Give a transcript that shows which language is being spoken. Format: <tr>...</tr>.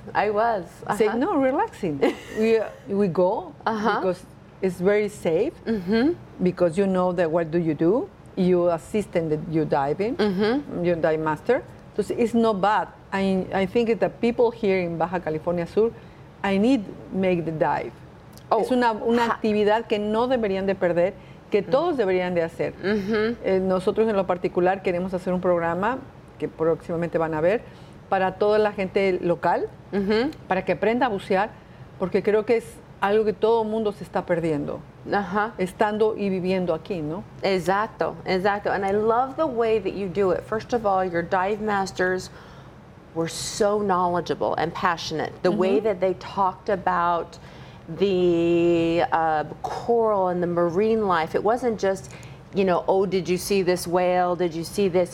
<en>Uh-huh. Say, no, relaxing. we go uh-huh. because it's very safe mm-hmm. because you know that what do you do? You assist in your diving, mm-hmm. your dive master. So it's not bad. I think that people here in Baja California Sur, I need make the dive. Oh.</en> <es>Es una actividad que no deberían de perder. Que todos deberían de hacer. Mm-hmm. Nosotros en lo particular queremos hacer un programa que próximamente van a ver para toda la gente local, mm-hmm. para que aprenda a bucear, porque creo que es algo que todo mundo se está perdiendo, uh-huh. estando y viviendo aquí, ¿no? Exacto, exacto.</es> <en>And I love the way that you do it. First of all, your dive masters were so knowledgeable and passionate. The mm-hmm. way that they talked about the coral and the marine life. It wasn't just, you know, oh, did you see this whale? Did you see this?</en>